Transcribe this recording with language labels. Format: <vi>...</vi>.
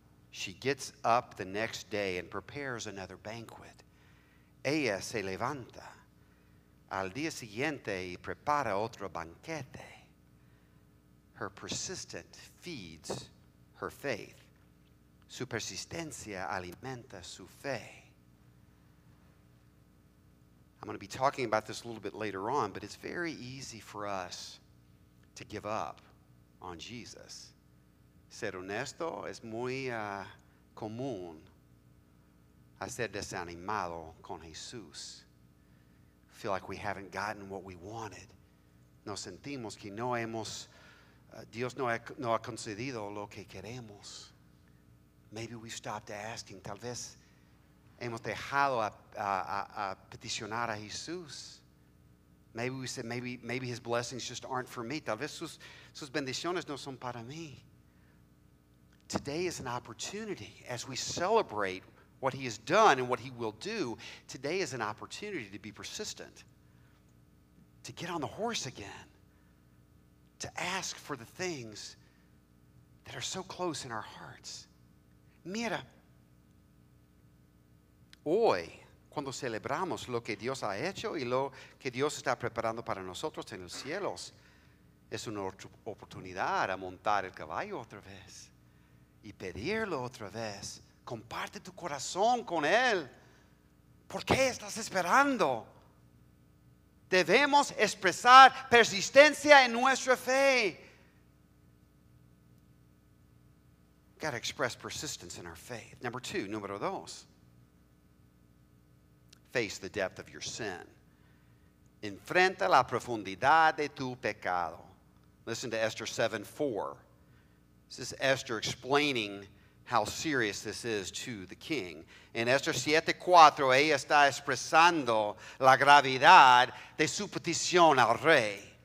<en>She gets up the next day and prepares another banquet.</en> <es>Ella se levanta al día siguiente y prepara otro banquete.</es> <en>Her persistence feeds her faith.</en> <es>Su persistencia alimenta su fe.</es> <en>I'm going to be talking about this a little bit later on, but it's very easy for us to give up on Jesus.</en> <es>Ser honesto es muy común a ser desanimado con Jesús.</es> <en>Feel like we haven't gotten what we wanted.</en> <es>Nos sentimos que no hemos, Dios no ha concedido lo que queremos.</es> <en>Maybe we stopped asking.</en> <es>Tal vez hemos dejado a peticionar a Jesús.</es> <en>Maybe we said, maybe his blessings just aren't for me.</en> <es>Tal vez sus bendiciones no son para mí.</es> <en>Today is an opportunity as we celebrate what he has done and what he will do. Today is an opportunity to be persistent, to get on the horse again, to ask for the things that are so close in our hearts.</en> <es>Mira, hoy, cuando celebramos lo que Dios ha hecho y lo que Dios está preparando para nosotros en los cielos, es una oportunidad a montar el caballo otra vez y pedirlo otra vez. Comparte tu corazón con Él. ¿Por qué estás esperando? Debemos expresar persistencia en nuestra fe.</es> <en>Got to express persistence in our faith.</en> <es>Número dos.</es> <en>Face the depth of your sin.</en> <es>Enfrenta la profundidad de tu pecado.</es> <en>Listen to Esther 7:4. This is Esther explaining how serious this is to the king.</en> <es>En Esther 7:4, ella está expresando la gravedad de su petición al rey.</es>